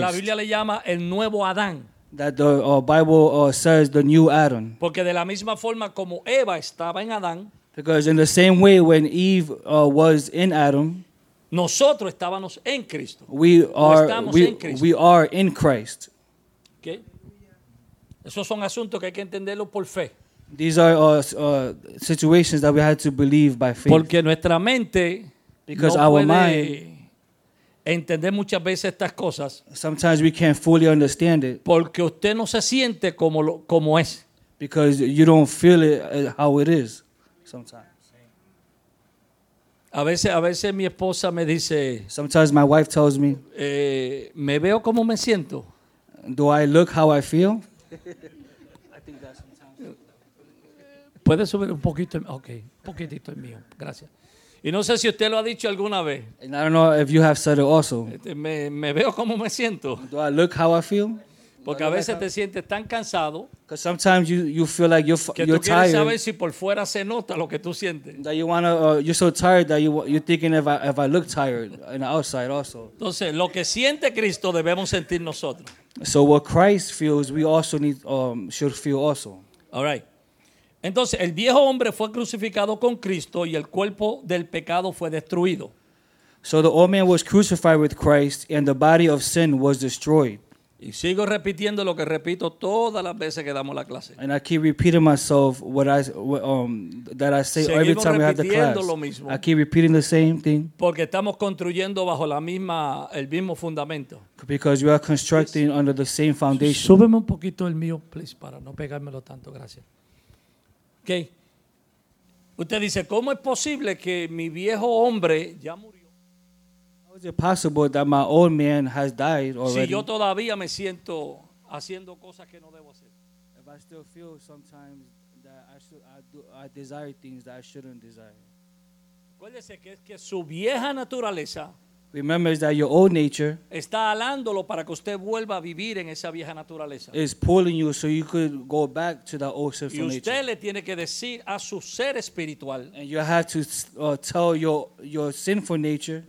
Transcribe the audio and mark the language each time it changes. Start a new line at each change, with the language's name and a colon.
Spanish: Que la Biblia le llama el nuevo Adán.
English: That the Bible says the new Adam.
Spanish: Porque de la misma forma como Eva estaba en Adán.
English: Because in the same way when Eve was in Adam.
Spanish: Nosotros estábamos en Cristo.
English: We are in Christ. Okay.
Spanish: Esos son asuntos que hay que entenderlos por fe.
English: These are situations that we had to believe by faith.
Spanish: Porque nuestra mente,
English: because no our
Spanish: puede
English: mind,
Spanish: entender muchas veces estas cosas.
English: Sometimes we can't fully understand it.
Spanish: Porque usted no se siente como como es.
English: Because you don't feel it how it is sometimes.
Spanish: A veces mi esposa me dice.
English: Sometimes my wife tells me.
Spanish: Me veo como me siento.
English: Do I look how I feel?
Spanish: Puede subir un poquito, okay, un poquitito el mío, gracias. Y no sé si usted lo ha dicho alguna vez.
English: And I don't know if you have said it also.
Spanish: Me veo como me siento.
English: Do I look how I feel?
Spanish: Porque a veces te sientes tan cansado.
English: Because sometimes you feel like you're tired.
Spanish: Que tú quieres saber si por fuera se nota lo que tú sientes.
English: That you wanna, you're so tired that you're thinking if I look tired in the outside also.
Spanish: Entonces, lo que siente Cristo debemos sentir nosotros.
English: So what Christ feels, we also need, should feel also. All right.
Spanish: Entonces, el viejo hombre fue crucificado con Cristo y el cuerpo del pecado fue destruido.
English: So the old man was crucified with Christ and the body of sin was destroyed.
Spanish: Y sigo repitiendo lo que repito todas las veces que damos la clase.
English: And I keep repeating myself that I say
Spanish: seguimos
English: every time we have the class.
Spanish: Lo mismo.
English: I keep repeating the same thing.
Spanish: Porque estamos construyendo bajo el mismo fundamento.
English: Because we are constructing yes. Under the same foundation.
Spanish: Súbeme un poquito el mío, please, para no pegármelo tanto, gracias. Okay. Usted dice, ¿cómo es posible que mi viejo hombre ya murió?
English: How is it possible that my old man has died already?
Spanish: Si yo todavía me siento haciendo cosas que no debo hacer.
English: If I still feel sometimes that I desire things that I shouldn't desire.
Spanish: Acuérdese que su vieja naturaleza.
English: Remember that your old nature.
Spanish: Está alándolo para que usted vuelva a vivir en esa vieja naturaleza.
English: Is pulling you so you could go back to that old sinful nature.
Spanish: Y usted le tiene que decir a su ser espiritual.
English: And you have to tell your sinful nature.